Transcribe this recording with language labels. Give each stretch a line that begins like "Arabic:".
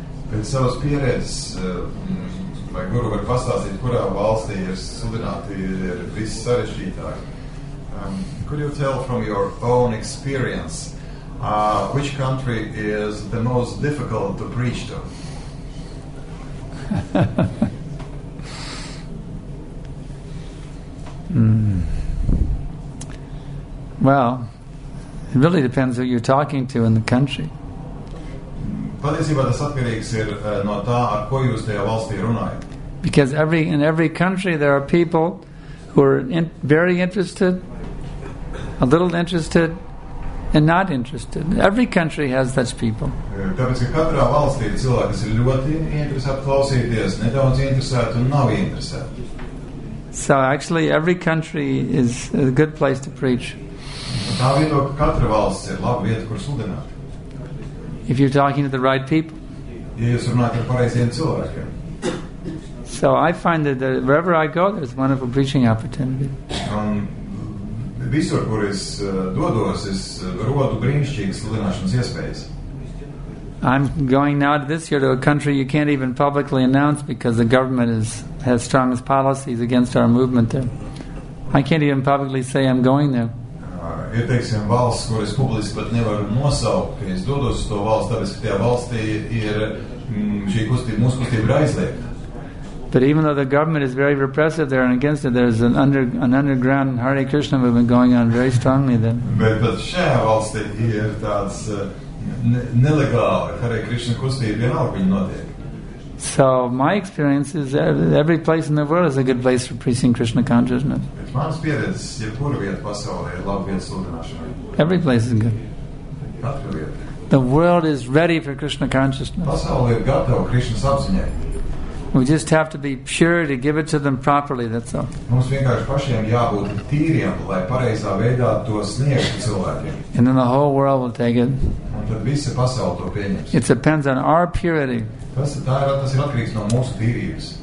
Latvian: pēc savas pieredzes vai guru var pastāstīt kurā valstī ir sludināti ir viss sarežģītāk.
English: Could you tell from your own experience which country is the most difficult to preach to? Well, it really depends who you're talking to in the country.
Latvian: Patiesībā tas atkarīgs ir no tā, ar ko jūs tajā valstī runājat.
English: Because in every country there are people who are very interested a little interested and not interested. Every country has such people.
Latvian: Tāpēc, ka katrā valstī ir cilvēki, kas ir ļoti interesēti klausīties, nedaudz interesēti un nav interesēti.
English: So actually every country is a good place to preach.
Latvian: Tā vieta, ka katra valsts ir laba vieta, kur sludināt.
English: If you're talking to the right people.
Latvian: Ja jūs runāt ar pareizajiem cilvēkiem.
English: So I find that wherever I go, there's a wonderful preaching opportunity.
Latvian: Visur, kur es dodos, es rodu brīnišķīgas sludināšanas iespējas.
English: I'm going now this year to a country you can't even publicly announce because the government has strong policies against our movement there. I can't even publicly say I'm going there.
Latvian: Ir, teiksim, valsts, kur es publiski pat nevaru nosaukt, ka es dodos uz to valsts, tāpēc, ka tajā valstī ir šī kustība, mūsu kustība ir aizliegta.
English: But even though the government is very repressive there and against it, there's an underground Hare Krishna movement going on very strongly then.
Latvian: But šajā valstī ir tāds nelegāli Hare Krishna kustība, vienalga viņa notiek.
English: So my experience is every place in the world is a good place for preaching Krishna consciousness.
Latvian: Mans pieredzes, jebkura vieta pasaulē ir laba vieta sludināšanai.
English: Every place is good.
Latvian: Katra vieta.
English: The world is ready for Krishna consciousness.
Latvian: Pasaulē ir gatava Krishna apziņai.
English: We just have to be pure to give it to them properly, that's all.
Latvian: Mums vienkārši pašiem jābūt tīriem, lai pareizā veidā to sniegtu cilvēkiem.
English: And then the whole world will take it.
Latvian: Un tad visa pasaule to pieņems.
English: It depends on our purity.
Latvian: Tas ir atkarīgs no mūsu tīrības.